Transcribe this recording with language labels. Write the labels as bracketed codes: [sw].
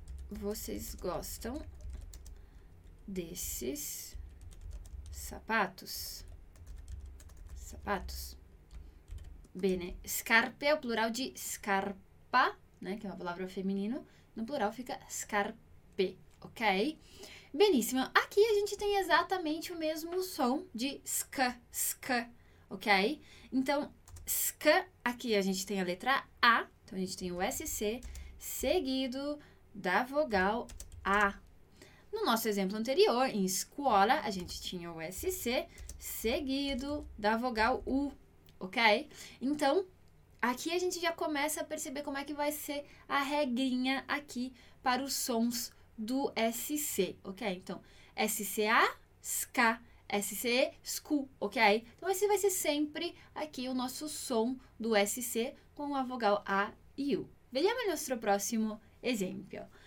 [pt] Vocês gostam desses sapatos? Sapatos. [it] Bene, scarpe è o plural di scarpa, né, che è una parola femminile, [pt] no plural fica scarpe, [it] ok? [pt] Benissimo. Aqui a gente tem esattamente o mesmo som di sc, ok? Então, sc, aqui a gente tem a letra A, então a gente tem o SC seguido da vogal A. No nosso exemplo anterior, em escola, a gente tinha o SC seguido da vogal U, ok? Então, aqui a gente já começa a perceber como é que vai ser a regrinha aqui para os sons do SC, ok? Então, SCA, SCA. SCE, SCU, ok? Então, esse vai ser sempre aqui o nosso som do SC com a vogal A e U. [it] Vediamo il nostro prossimo esempio.